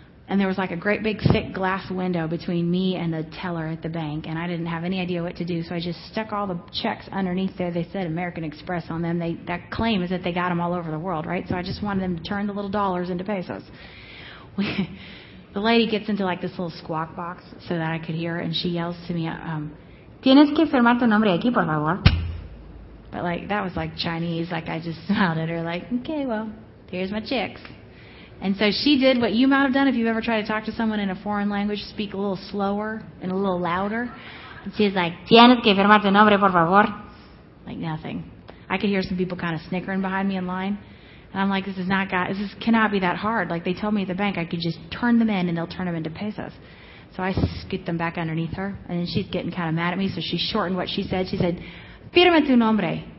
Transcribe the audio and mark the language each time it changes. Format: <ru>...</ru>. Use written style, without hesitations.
<en>And there was like a great big thick glass window between me and the teller at the bank. And I didn't have any idea what to do. So I just stuck all the checks underneath there. They said American Express on them. That claim is that they got them all over the world, right? So I just wanted them to turn the little dollars into pesos. The lady gets into like this little squawk box so that I could hear. And she yells to me,</en> <es>tienes que firmar tu nombre aquí, por favor.</es> <en>But like, that was like Chinese. Like I just smiled at her like, okay, well, here's my checks. And so she did what you might have done if you've ever tried to talk to someone in a foreign language, speak a little slower and a little louder. And she's like,</en> <es>tienes que firmar tu nombre, por favor.</es> <en>Like nothing. I could hear some people kind of snickering behind me in line. And I'm like, this cannot be that hard. Like they told me at the bank I could just turn them in and they'll turn them into pesos. So I scoot them back underneath her. And then she's getting kind of mad at me, so she shortened what she said. She said,</en> <es>firma tu nombre.</es>